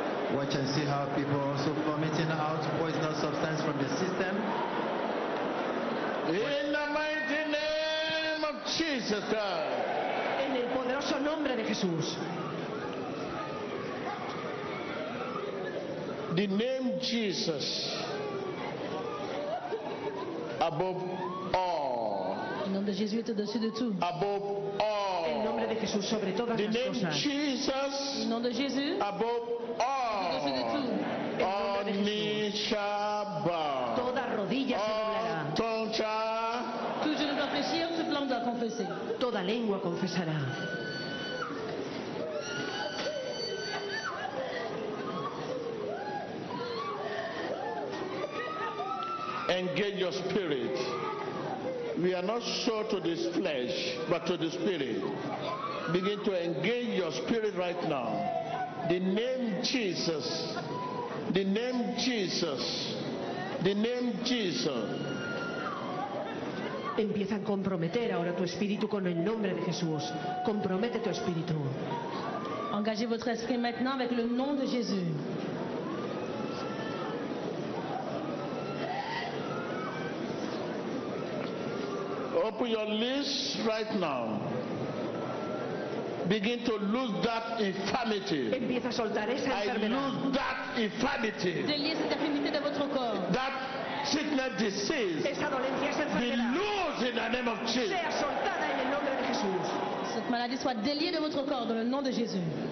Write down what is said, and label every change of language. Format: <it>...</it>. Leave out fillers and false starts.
<en>watch and see how people are also vomiting out poisonous substance from the system. In the mighty name of Jesus Christ.</en> <es>En el poderoso nombre de Jesús.</es> <en>The name Jesus above all.</en> <es>El nombre de Jesús</es> <fr>au-dessus de tout.</fr> <en>Above all.</en> <es>El nombre de Jesús sobre todas</es> <en>the</en> <es>las cosas.</es> <en>The name Jesus.</en> <es>El nombre de Jesús.</es> <en>Above all.</en> <fr>Au-dessus de tout.</fr> <en>All knees shall bow.</en> <es>Toda rodilla se doblará.</es> <en>All tongue shall.</en> <fr>Tout genou va fléchir, toute langue va confesser.</fr> <es>Toda lengua confesará.</es> <en>Engage your spirit. We are not sold to this flesh, but to the spirit. Begin to engage your spirit right now. The name Jesus. The name Jesus. The name Jesus.</en> <es>Empieza a comprometer ahora tu espíritu con el nombre de Jesús. Compromete tu espíritu.</es> <fr>Engagez votre esprit maintenant avec le nom de Jésus.</fr> <en>Open your lips right now. Begin to lose that infirmity.</en> <es>Empieza a soltar esa enfermedad.</es> <en>I lose that infirmity.</en> <fr>Délie cette infirmité de votre corps.</fr> <en>That sickness, disease.</en> <es>Esa dolencia, esa enfermedad.</es> <en>Be loose in the name of Jesus.</en> <es>Sea soltada en el nombre de Jesús.</es> <fr>Cette maladie soit déliée de votre corps dans le nom de Jésus.</fr>